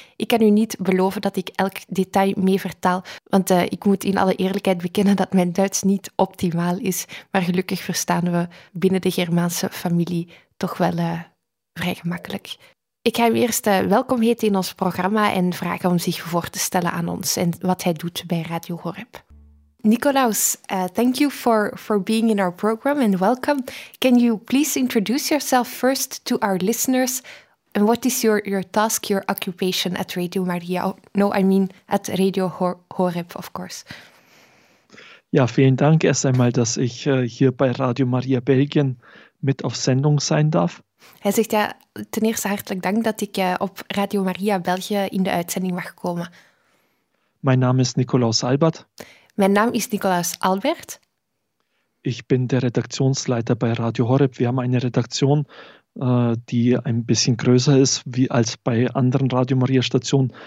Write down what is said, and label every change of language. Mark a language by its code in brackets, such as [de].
[nl] Ik kan u niet beloven dat ik elk detail mee vertaal, want ik moet in alle eerlijkheid bekennen dat mijn Duits niet optimaal is. Maar gelukkig verstaan we binnen de Germaanse familie toch wel vrij gemakkelijk. Ik ga hem eerst welkom heten in ons programma en vragen om zich voor te stellen aan ons en wat hij doet bij Radio Horeb. [en] Nicolaus, thank you for being in our program and welcome. Can you please introduce yourself first to our listeners? And what is your task, your occupation at Radio Maria? No, I mean at Radio Horeb, of course. [de] Ja, vielen Dank erst einmal, dass ich hier bei Radio Maria Belgien mit auf Sendung sein darf. [nl] Hij zegt ja, ten eerste hartelijk dank dat ik op Radio Maria België in de uitzending mag komen. Mijn naam is Nicolaus Albert. Mijn naam is Nicolaus Albert. Ik ben de redactionsleiter bij Radio Horeb. We hebben een redactie die een beetje groter is als bij andere Radio Maria stationen.